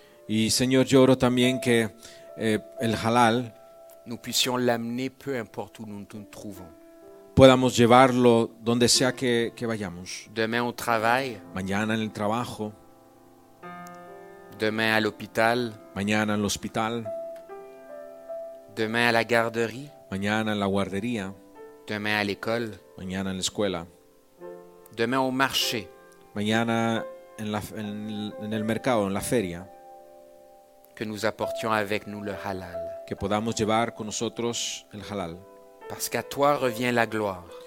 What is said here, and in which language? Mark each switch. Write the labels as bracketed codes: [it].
[es] Y Señor, yo oro también que el halal. [fr] Nous puissions l'amener peu importe où nous nous trouvons. [es] Podamos llevarlo donde sea que vayamos. [fr] Demain au travail. [es] Mañana en el trabajo. [fr] Demain à l'hôpital. [es] Mañana en el hospital. [fr] Demain à la garderie. [es] Mañana en la guardería. [fr] Demain à l'école. [es] Mañana en la escuela. [fr] Demain au marché. [es] Mañana en el mercado, en la feria. [fr] Que nous apportions avec nous le halal. [es] Que podamos llevar con nosotros el halal. [fr] Parce qu'à toi revient la gloire.